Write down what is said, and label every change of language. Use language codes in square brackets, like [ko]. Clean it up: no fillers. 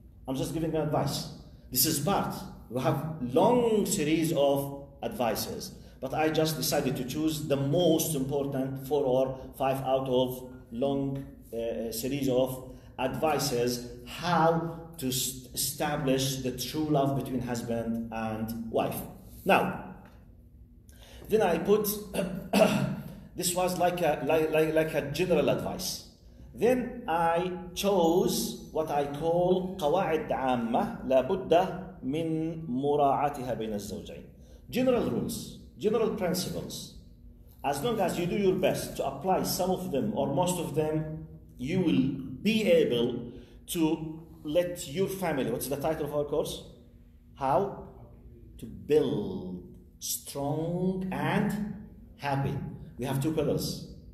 [en] I'm just giving advice. This is part. We have long series of advices, but I just decided to choose the most important 4 or 5 out of long series of advices how to establish the true love between husband and wife. Now, Then I put, this was like a general advice. Then I chose what I call [ar] قواعد عامة لا بد من مراعاتها بين الزوجين. [en] General rules, general principles. As long as you do your best to apply some of them or most of them, you will be able to let your family, what's the title of our course? How? To build strong and happy. We have two pillars.